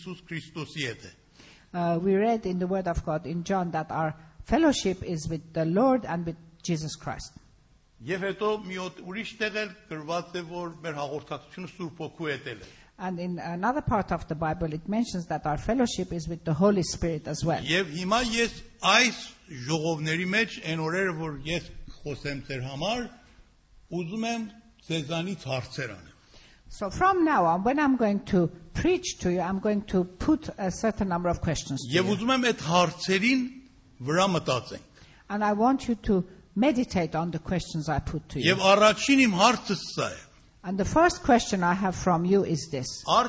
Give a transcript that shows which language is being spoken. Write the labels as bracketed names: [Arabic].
[English] We read in the Word of God in John that our fellowship is with the Lord and with Jesus Christ. [Armenian] Եվ հետո մի ուրիշ տեղ էլ գրված է որ մեր հաղորդակցությունը Սուրբ Հոգու հետ է լինում. [English] And in another part of the Bible it mentions that our fellowship is with the Holy Spirit as well. [Armenian] Եվ հիմա ես այս ժողովների մեջ այն օրերը որ ես խոսեմ ձեր համար ուզում եմ ձեզանից հարցեր անեմ. [English] So from now on, when I'm going to preach to you, I'm going to put a certain number of questions to you. And I want you to meditate on the questions I put to you. And the first question I have from you is this.